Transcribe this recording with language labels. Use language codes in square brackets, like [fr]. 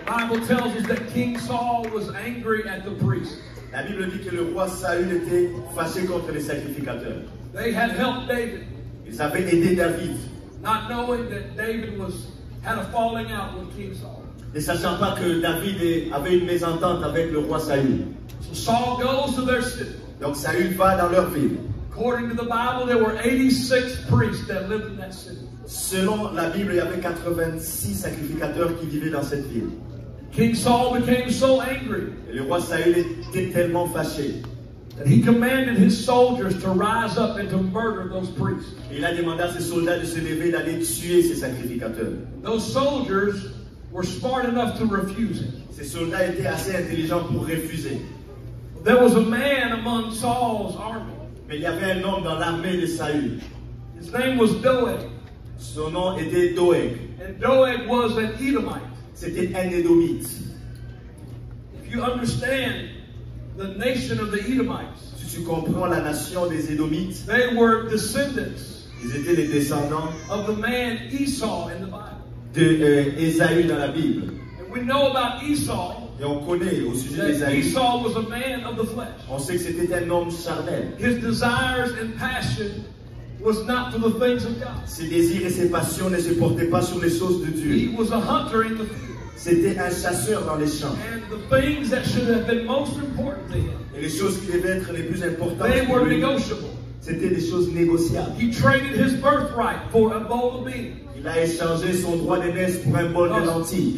[en] Bible tells us that King Saul was angry at the priest. [fr] La Bible dit que le roi Saül était fâché contre les sacrificateurs. [en] They had helped David. [fr] Ils avaient aidé David. [en] Not knowing that David was had a falling out with King Saul. [fr] Ne sachant pas que David avait une mésentente avec le roi Saül. [en] So Saul goes to their city. [fr] Donc Saül va dans leur ville. [en] According to the Bible, there were 86 priests that lived in that city. [fr] Selon la Bible, il y avait 86 sacrificateurs qui vivaient dans cette ville. [en] King Saul became so angry. [fr] Et le roi Saül était tellement fâché. [en] And he commanded his soldiers to rise up and to murder those priests. [fr] Il a demandé à ses soldats de se lever et d'aller tuer ces sacrificateurs. [en] Those soldiers were smart enough to refuse it. [fr] Ces soldats étaient assez intelligents pour refuser. [en] There was a man among Saul's army. [fr] Mais il y avait un homme dans l'armée de Saül. [en] His name was Doeg. [fr] Son nom était Doeg. [en] And Doeg was an Edomite. [fr] C'était un Édomite. [en] If you understand the nation of the Edomites, [fr] si tu comprends la nation des Édomites, [en] they were descendants. [fr] Ils étaient les descendants [en] of the man Esau in the Bible. [fr] De Esaü dans la Bible. [en] And we know about Esau. [fr] Et on connaît au sujet d'Esaü. [en] Esau was a man of the flesh. [fr] On sait que c'était un homme charnel. [en] His desires and passion was not for the things of God. [fr] Ses désirs et ses passions ne se portaient pas sur les choses de Dieu. [en] He was a hunter in the field. [fr] C'était un chasseur dans les champs. [en] And the things that should have been most important to him. [fr] Et les choses qui devaient être les plus importantes. [en] They were negotiable. [fr] C'était des choses négociables. [en] He traded his birthright for a bowl of beans. [fr] Il a échangé son droit d'aînesse pour un bol de lentilles.